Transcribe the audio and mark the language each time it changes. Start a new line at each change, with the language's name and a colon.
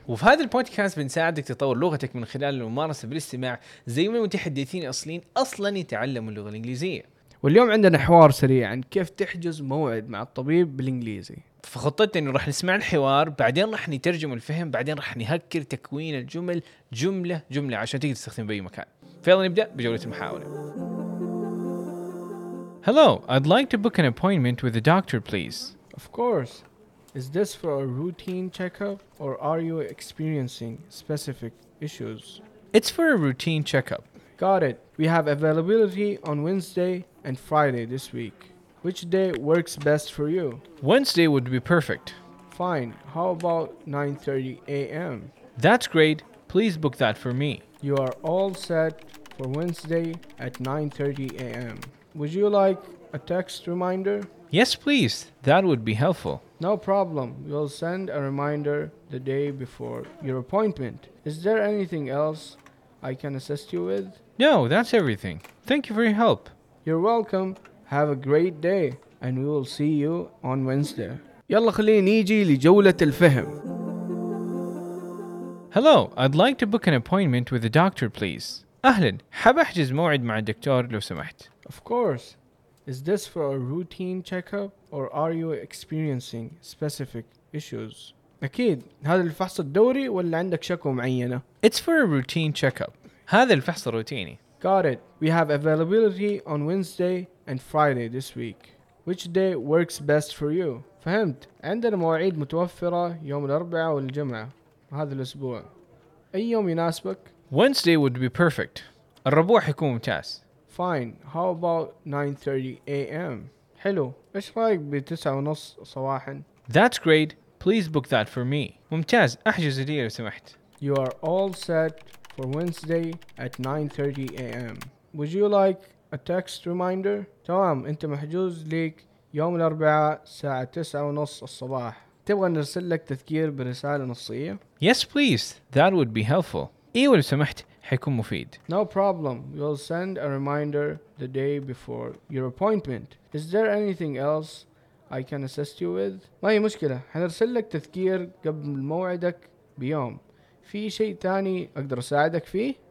Arabic: وفي هذا البودكاست بنساعدك تطور لغتك من خلال الممارسه بالاستماع زي ما المتحدثين الاصليين اصلا يتعلموا اللغه الانجليزيه. واليوم عندنا حوار سريع عن كيف تحجز موعد مع الطبيب بالانجليزي. فخطتي انه راح نسمع الحوار, بعدين راح نترجم الفهم, بعدين راح نهكر تكوين الجمل جمله جمله عشان تقدر تستخدمه باي مكان. فيلا نبدا بجوله المحاوله.
English: Hello, I'd like to book an appointment with the doctor please. Of course. Is this for a routine checkup or are you experiencing specific issues? It's for a routine checkup. Got it. We have availability on Wednesday and Friday this week. Which day works best for you? Wednesday would be perfect. Fine. How about 9:30 a.m.? That's great. Please book that for me. You are all set for Wednesday at 9:30 a.m. Would you like a text reminder? Yes, please. That would be helpful. No problem. We'll send a reminder the day before your appointment. Is there anything else I can assist you with? No, that's everything. Thank you for your help. You're welcome. Have a great day and we will see you on Wednesday.
Arabic: يلا خلينا نيجي لجولة الفهم.
English: Hello, I'd like to book an appointment with the doctor please.
Arabic: اهلا, حاب احجز موعد مع الدكتور لو سمحت.
English: Of course. Is this for a routine checkup or are you experiencing specific issues?
Arabic: اكيد, هذا الفحص الدوري ولا عندك شكوى معينة؟
English: It's for a routine checkup.
Arabic: هذا الفحص الروتيني.
English: Got it. We have availability on Wednesday and Friday this week. Which day works best for you?
Arabic: فهمت. عندنا مواعيد متوفرة يوم الأربعاء والجمعة هذا الأسبوع. أي يوم يناسبك؟
English: Wednesday would be perfect.
Arabic: الربوع حيكون ممتاز.
English: Fine. How about 9:30 a.m.?
Arabic: حلو. إيش رأيك بتسعة ونص صباحا؟
English: That's great. Please book that for me.
Arabic: ممتاز. أحجز لي لو سمحت.
English: You are all set for Wednesday at 9:30 a.m. Would you like a text reminder?
Arabic: تمام, انت محجوز ليك يوم الاربعاء الساعة 9:30 الصباح. تبغى نرسل لك تذكير برسالة نصية؟
English: Yes please, that would be helpful.
Arabic: ايوه لو سمحت, حيكون مفيد.
English: No problem, we'll send a reminder the day before your appointment. Is there anything else I can assist you with?
Arabic: ما هي مشكلة, حنرسل لك تذكير قبل موعدك بيوم. في شيء ثاني اقدر اساعدك فيه؟